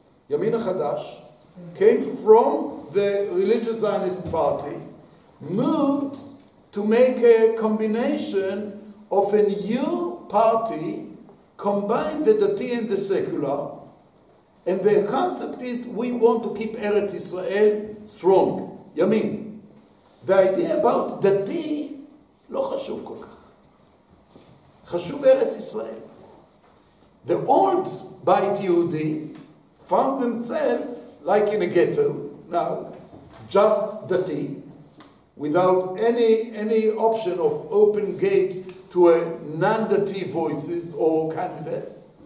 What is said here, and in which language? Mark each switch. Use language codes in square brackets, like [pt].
[en] Yamin HaChadash came from the religious Zionist party, moved to make a combination of a new party, combine the Dati and the secular, and the concept is we want to keep Eretz Israel strong. Yamin. The idea about Dati, [he] לא חשוב כל כך. חשוב ארץ ישראל. [en] the old Beit Yehudi found themselves like in a ghetto now, just dirty, without any option of open gate to a non-dirty voices or candidates.